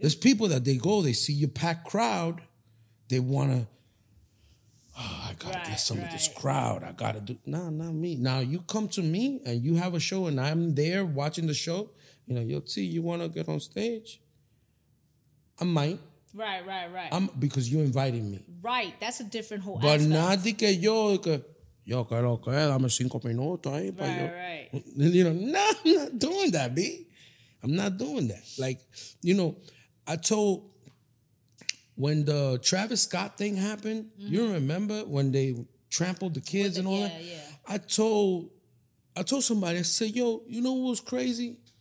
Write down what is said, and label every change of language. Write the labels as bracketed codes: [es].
[en] There's people that they go, they see your packed crowd. They want to, I got to get some of this crowd. I got to do, not me. Now, you come to me and you have a show and I'm there watching the show. You know, you want to get on stage? I might. Right. Because you're inviting me. Right. That's a different whole but aspect. But [es] nadie que yo, yo quiero que dame 5 minutos ahí. [en] Right, yo. Right. You know, nah, I'm not doing that, B. I'm not doing that. Like, you know, I told, when the Travis Scott thing happened, mm-hmm. you remember when they trampled the kids and all that? I told somebody, I said, yo, you know what was crazy?